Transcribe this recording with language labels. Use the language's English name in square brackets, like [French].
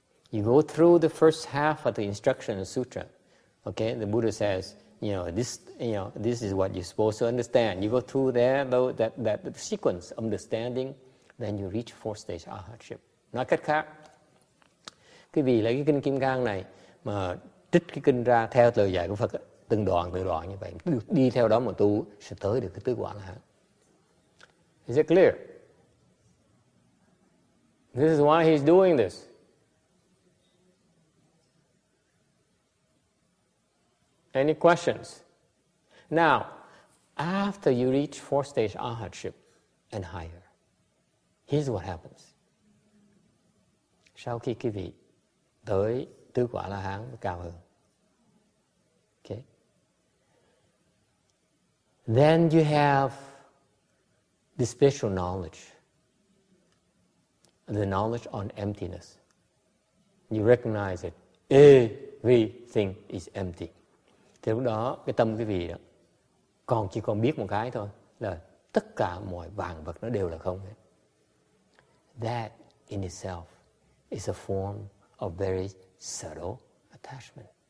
[English] You go through the first half of the instruction of the sutra. Okay, the Buddha says, this is what you're supposed to understand. You go through there, though, that sequence of understanding, then you reach fourth stage arahatship. [Vietnamese] Nói cách khác, quý vị lấy cái Kinh Kim Cang này mà trích cái kinh ra theo lời dạy của Phật, từng đoạn như vậy, đi theo đó mà tu sẽ tới được cái tứ quả là. [English] Is it clear? This is why he's doing this. Any questions? Now, after you reach fourth stage arahatship and higher, here's what happens. [Vietnamese] Sau khi quý vị tới tứ quả la hán cao hơn, okay? [English] Then you have the special knowledge, the knowledge on emptiness. You recognize it. Everything is empty. [Vietnamese] Thì lúc đó cái tâm quý vị đó còn chỉ còn biết một cái thôi là tất cả mọi vạn vật nó đều là không hết. [English] That in itself is a form of very subtle attachment.